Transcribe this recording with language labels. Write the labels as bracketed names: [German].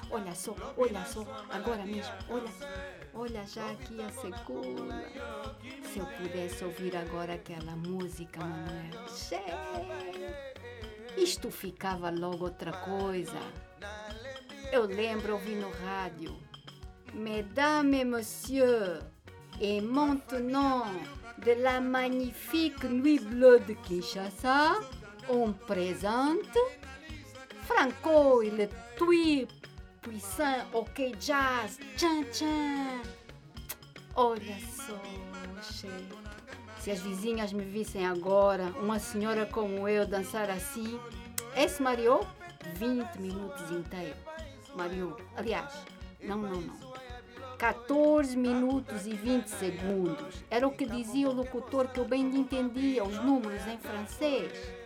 [Portuguese] Olha só. Agora mesmo, olha. Olha já aqui a segunda. Se eu pudesse ouvir agora aquela música, Manuel. Isto ficava logo outra coisa. Eu lembro ouvir no rádio. [French] Mesdames et messieurs, et maintenant, de la magnifique Nuit Bleue de Kinshasa, on présente Franco et le Tui puissant OK Jazz. [Portuguese] Tchin, tchin. Olha só, chérie. Se as vizinhas me vissem agora, uma senhora como eu dançar assim, esse Mario? 20 minutos inteiro. Mario, aliás, não. 14 minutos e 20 segundos. Era o que dizia o locutor, que eu bem entendia os números em francês.